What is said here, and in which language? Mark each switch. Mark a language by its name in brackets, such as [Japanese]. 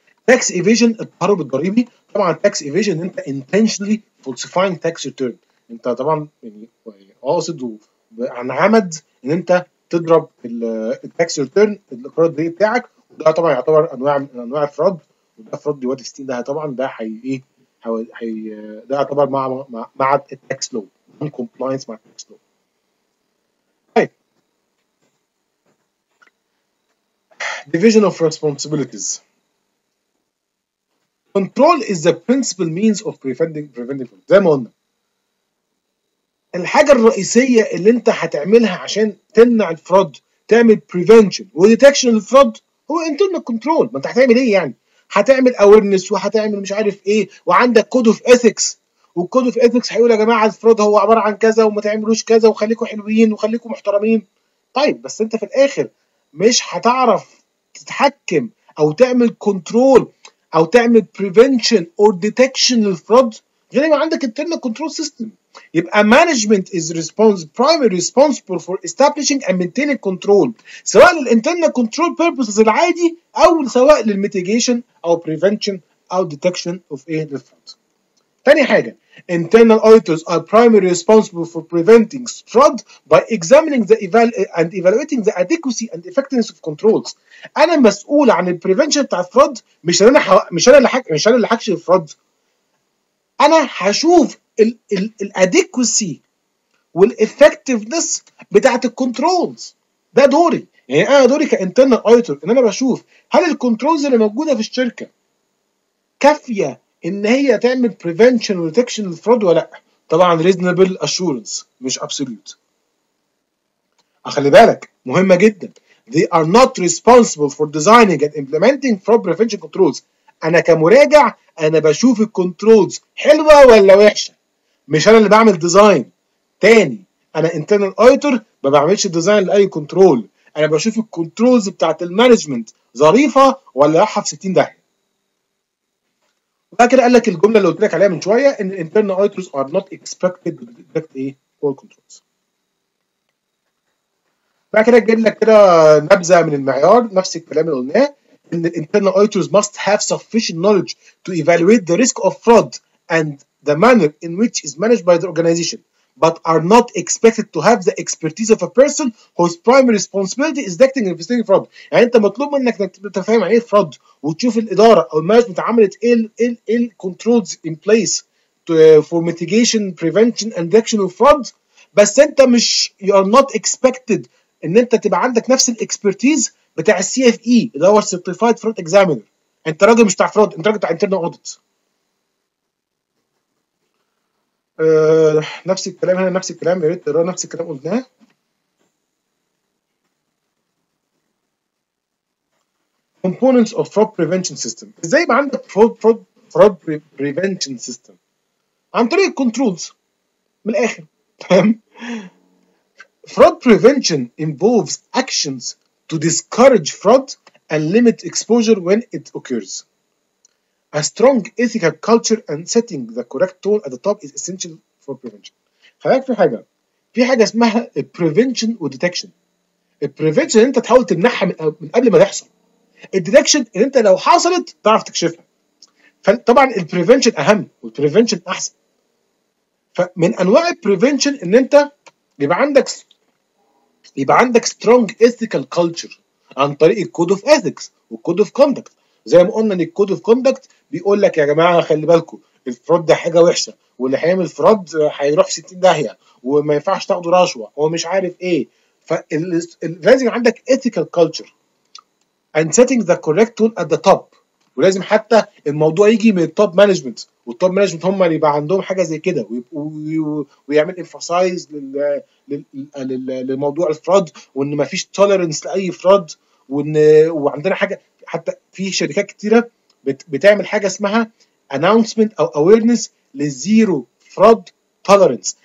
[Arabic] tax evasion التهرب الضريبي، طبعا tax evasion انت [English] intentionally falsifying tax return، [Arabic] انت طبعا يعني قاصد وعن عمد ان انت تضرب التاكس ريتيرن الاقرار الضريبي بتاعك، وده طبعا يعتبر انواع من انواع الفراد، وده فراد دلوقتي في ستين ده طبعا ده هي ايه هي ده يعتبر مع التاكس لو compliance مع التاكس لو. [English] Division of responsibilities. Control is the principal means of preventing fraud. [Arabic] زي ما قلنا، الحاجة الرئيسية اللي انت هتعملها عشان تمنع الفراد، تعمل prevention وdetection للفراد، هو internal control. ما انت هتعمل ايه يعني؟ هتعمل awareness وهتعمل مش عارف ايه، وعندك code of ethics، والcode of ethics هيقول يا جماعة الفراد هو عبارة عن كذا وما تعملوش كذا وخليكم حلوين وخليكم محترمين. طيب بس انت في الاخر مش هتعرف تتحكم او تعمل كنترول او تعمل prevention or detection للفراد غير ما عندك internal control system. يبقى [English] management is primary responsible for establishing and maintaining control، سواء للinternal control purposes [Arabic] العادي [English] او سواء للmitigation او prevention او detection of a fraud. [Arabic] تاني حاجة، [English] internal auditors are primarily responsible for preventing fraud by examining the and evaluating the adequacy and effectiveness of controls. [Arabic] انا مسؤول عن البريفنشن بتاع الفراد، مش انا اللي حكش الفراد، انا هشوف الادكوسي والافكتيفنس بتاعت الكنترولز. ده دوري يعني، انا دوري كانترنال اوديتور ان انا بشوف هل الكنترولز اللي موجوده في الشركه كافيه ان هي تعمل بريفنشن وديتكشن للفرود ولا لا. طبعا ريزنبل اشورنس مش ابسولوت، اخلي بالك مهمه جدا. [English] They are not responsible for designing and implementing fraud prevention controls. [Arabic] أنا كمراجع أنا بشوف الكنترولز حلوة ولا وحشة، مش أنا اللي بعمل ديزاين. تاني أنا internal auditor ما بعملش ديزاين لأي كنترول، أنا بشوف الكنترولز بتاعت المانجمنت ظريفة ولا رايحة في 60 داهية. وبعد قال لك الجملة اللي قلت لك عليها من شوية، إن [English] internal auditors are not expected to detect a poor controls. [Arabic] بعد كده جايب لك كده نبذه من المعيار، نفس الكلام اللي قلناه، ان [English] internal auditors must have sufficient knowledge to evaluate the risk of fraud and the manner in which is managed by the organization but are not expected to have the expertise of a person whose primary responsibility is detecting and investigating fraud. [Arabic] يعني انت مطلوب منك انك تفهم عن ايه فراد، وتشوف الاداره او المانجمنت عملت ايه ال [English] controls in place to, for mitigation, prevention and detection of fraud، [Arabic] بس انت مش [English] you are not expected [Arabic] ان انت تبقى عندك نفس الاكسبرتيز بتاع السي اف اي اللي هو سيرتيفايد فرود اكزامينر. انت راجل مش بتاع فرود، انت راجل بتاع انترنال اوديت. نفس الكلام هنا، نفس الكلام يا ريت تقرا نفس الكلام قلناه. [English] components of fraud prevention system، [Arabic] ازاي يبقى عندك fraud prevention system؟ عن طريق controls من الاخر، تمام. [English] Fraud prevention involves actions to discourage fraud and limit exposure when it occurs. A strong ethical culture and setting the correct tone at the top is essential for prevention. [Arabic] خلاك في حاجة، في حاجة اسمها prevention و detection. Prevention انت تحاول تمنعها من قبل ما يحصل. Detection ان انت لو حصلت تعرف تكشفها. فطبعا prevention اهم والprevention احسن. فمن انواع prevention ان انت يبقى عندك [English] strong ethical culture [Arabic] عن طريق code of ethics و code of conduct. زي ما قلنا ان code of conduct بيقول لك يا جماعة خلي بالكو الفرود ده حاجة وحشة، واللي هيعمل فرود هيروح في 60 داهية، وما ينفعش تاخده رشوة، هو مش عارف ايه. فلازم عندك [English] ethical culture and setting the correct tone at the top. [Arabic] ولازم حتى الموضوع يجي من top management، والtop management هم اللي يبقى عندهم حاجة زي كده ويعمل emphasize للموضوع الفراد، وان ما فيش tolerance لأي فراد، وعندنا حاجة حتى في شركات كتيرة بتعمل حاجة اسمها announcement أو awareness للزيرو فراد tolerance.